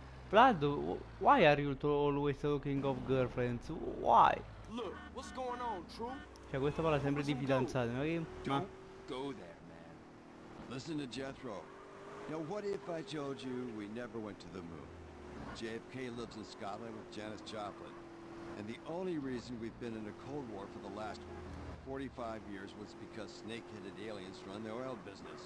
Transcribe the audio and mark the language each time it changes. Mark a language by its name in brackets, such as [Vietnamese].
[English] Vlad, why are you always talking of girlfriends? Why? Look, what's going on, true? [Italian] Cioè, questa parla sempre di fidanzate, ma che... [English] Don't go there, man. Listen to Jethro. Now, what if I told you we never went to the moon? JFK lives in Scotland with Janis Joplin. And the only reason we've been in a Cold War for the last 45 years was because snake-headed aliens run the oil business.